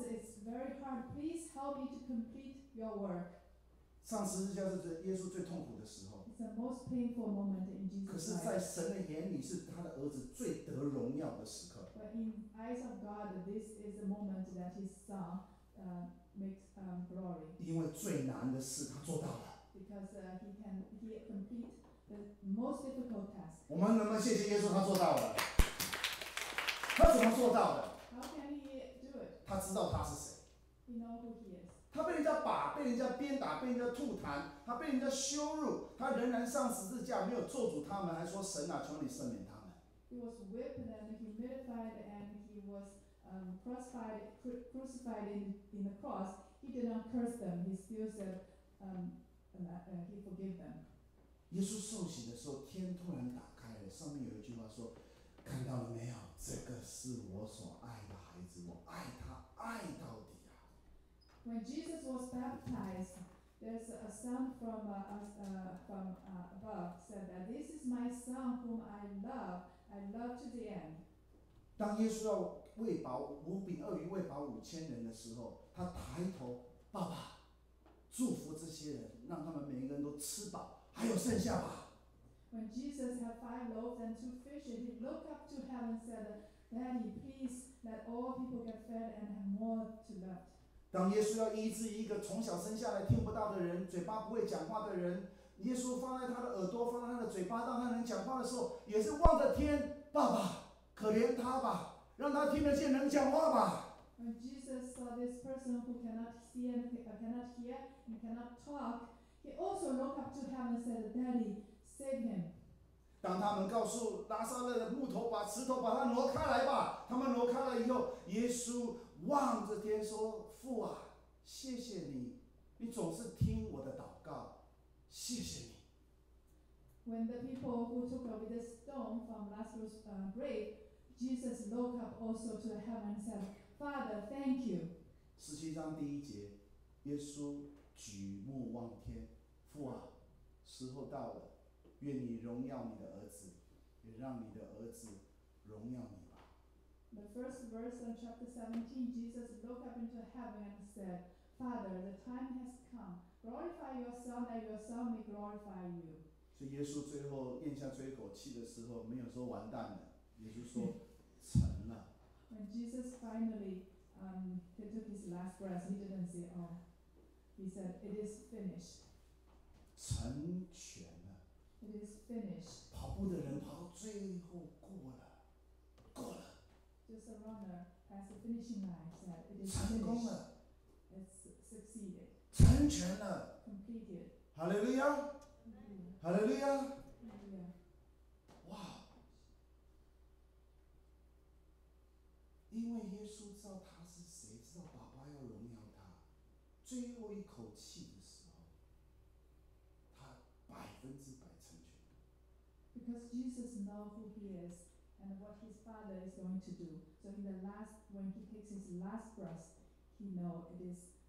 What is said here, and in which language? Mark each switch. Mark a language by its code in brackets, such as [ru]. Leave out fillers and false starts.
[en] It's very hard. Please help me to complete your work. [zh] 上十字架是耶稣最痛苦的时候。 [en] It's the most painful moment in Jesus' life. [zh] 可是，在神的眼里，是他的儿子最得荣耀的时刻。 [en] But in eyes of God, this is the moment that his son makes glory. [zh] 因为最难的事他做到了。 [en] Because he complete the most difficult task. [zh] 我们能不能谢谢耶稣？他做到了。他怎么做到的 [en] ？How can he do it? [zh] 他知道他是谁。 [en] He knows who he is. [zh] 他被人家把，被人家鞭打，被人家吐痰，他被人家羞辱，他仍然上十字架，没有咒诅他们，还说神啊，求你赦免他们。 [en] He was whipped and humiliated and he was crucified in the cross. He did not curse them. He still said he forgave them. [zh] 耶稣受洗的时候，天突然打开了，上面有一句话说：“看到了没有？这个是我所爱的孩子，我爱他，爱到底。” [en] When Jesus was baptized, there's a son from above said that this is my son whom I love to the end. [zh] 当耶稣要喂饱五饼二鱼喂饱五千人的时候，他抬头爸爸，祝福这些人，让他们每一个人都吃饱，还有剩下吧。 [en] When Jesus had 5 loaves and 2 fishes, he looked up to heaven and said, Daddy, please let all people get fed and have more to eat. [zh] 当耶稣要医治一个从小生下来听不到的人，嘴巴不会讲话的人，耶稣放在他的耳朵，放在他的嘴巴，让他能讲话的时候，也是望着天，爸爸，可怜他吧，让他听得见能讲话吧。 [en] When Jesus saw this person who cannot see and cannot hear and cannot talk, he also looked up to heaven and said, Daddy, save him. [zh] 当他们告诉拉撒勒的木头把石头把他挪开来吧，他们挪开了以后，耶稣望着天说，父啊，谢谢你，你总是听我的祷告。谢谢你。 [en] When the people who took away the stone from Lazarus' grave, Jesus looked up also to heaven and said, "Father, thank you." [zh] 十七章第一节，耶稣举目望天，父啊，时候到了，愿你荣耀你的儿子，也让你的儿子荣耀你吧。 [en] The first verse in chapter 17, Jesus looked up into heaven and said, "Father, the time has come." Glorify your son, that your son may glorify you. [zh] 所以耶稣最后咽下最后一口气的时候，没有说完蛋了，耶稣说成了。 [en] When Jesus finally he took his last breath, he didn't say, "Oh," he said, "It is finished." [zh] 成全了。 [en] It is finished. [zh] 跑步的人跑到最后过了，过了。 [en] Just a runner has the finishing line. Said, "It is finished." [zh] 成功了。 [en] It's succeeded. [zh] 成全了 [en] ，completed， [zh] 哈利路亚，哈利路亚，哇！因为耶稣知道他是谁，知道爸爸要荣耀他，最后一口气的时候，他100%成全。 [en] Because Jesus knows who he is and what his father is going to do, so in the last, when he takes his last breath, he knows it is.